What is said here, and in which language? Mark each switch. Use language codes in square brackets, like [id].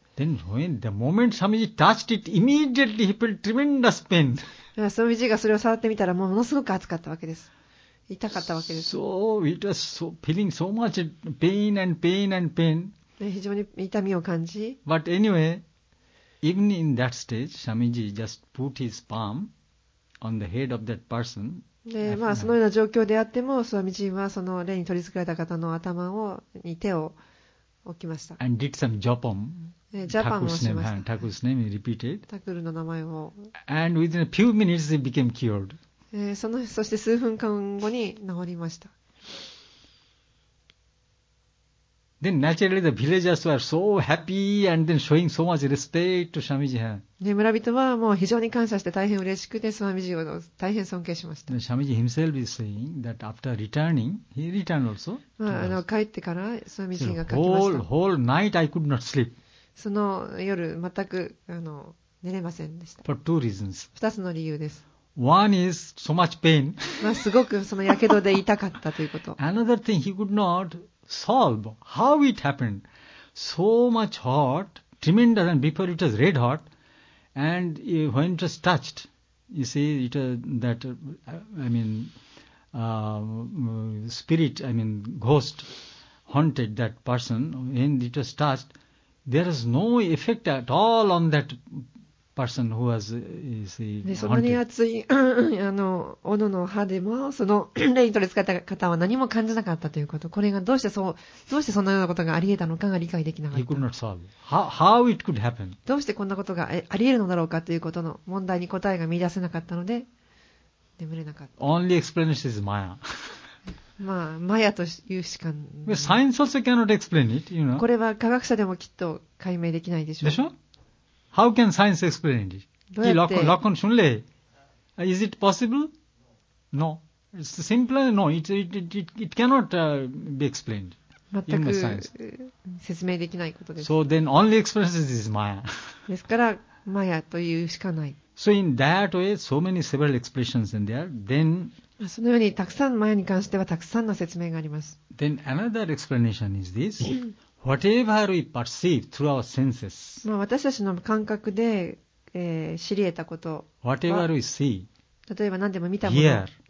[en] Then when the moment Samiji touched it, immediately he felt tremendous pain. [ja] Samiji がそれを触ってみたらものすごく熱かったわけです。痛かったわけです。 [en] So it was so feeling so much pain and pain and pain. [ja] 非常に痛みを感じ。 [en] But anyway, even in that stage, Samiji just put his palm. On the head of that person. [ja] で、まあそのような状況であっても、スワミジンはその霊に取り付けられた方の頭をに手を置きました。 [en] And did some japon. [ja] Japon をしました。 [en] Taku's name repeated. [ja] タクルの名前を。 [en] And within a few minutes, he became cured. [ja] そして数分間後に治りました。 [en] Then naturally the villagers were so happy and then showing so much respect to Samiji. [ja] 村人はもう非常に感謝して大変嬉しくてスワミジを大変尊敬しました。 [en] Samiji himself is saying that after returning, he returned also. [ja] 帰ってからスワミジが書きました。 [en] Whole night I could not sleep. [ja] その夜全く寝れませんでした。 [en] For two reasons. [ja] 二つの理由です。 [en] One is so much pain. [ja] すごくその火傷で痛かったということ。 [en] Another thing he could not. Solve how it happened. So much hot, tremendous, and before it was red hot, and when it was touched, you see, it was that, ghost haunted that person, and it was touched, there was no effect at all on that person who was, you see, haunted. [ja] そんなに熱い斧の刃でもその霊に取り憑かれた方は何も感じなかったということ。これがどうしてそんなようなことがあり得たのかが理解できなかった。 [en] He could not solve. How it could happen? [ja] どうしてこんなことがあり得るのだろうかということの問題に答えが見出せなかったので眠れなかった。 [en] Only explanation is Maya. [ja] まあ、マヤというしかない。 [en] Science also cannot explain it, you know. [ja] これは科学者でもきっと解明できないでしょう。でしょ? [en] How can science explain it? Lokon Shunle. Is it possible? No. It's simple. No, it cannot be explained in the science. [ja] 説明できないことです。 [en] So then only explanation is Maya. [ja] ですから、マヤというしかない。 [en] So in that way, so many several explanations in there. Then, [ja] そのようにたくさんマヤに関してはたくさんの説明があります。 [en] Then another explanation is this. Whatever we perceive through our senses, [ja] 私たちの感覚で、知り得たことは、 [en] Whatever we see, [ja] 例えば何でも見たもの、 [en] hear,